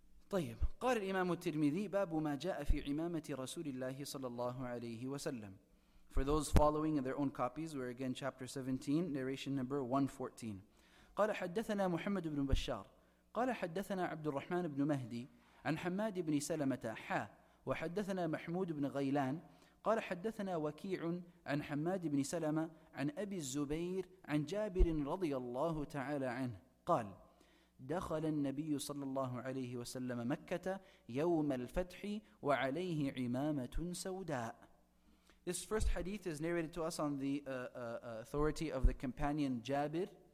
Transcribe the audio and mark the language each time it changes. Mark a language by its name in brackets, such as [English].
[Arabic] طيب قال الإمام الترمذي باب ما جاء في عمامة رسول الله صلى الله عليه وسلم. [English] For those following in their own copies, we're again chapter 17, narration number 114. [Arabic] قال حدثنا محمد بن بشار قال حدثنا عبد الرحمن بن مهدي عن حماد بن سلمة حا وحدثنا محمود بن غيلان قال حدثنا وكيع عن حماد بن سلمة عن أبي الزبير عن جابر رضي الله تعالى عنه قال دخل النبي صلى الله عليه وسلم مكة يوم الفتح وعليه عمامة سوداء. [English] This first hadith is narrated to us on the authority of the companion Jabir.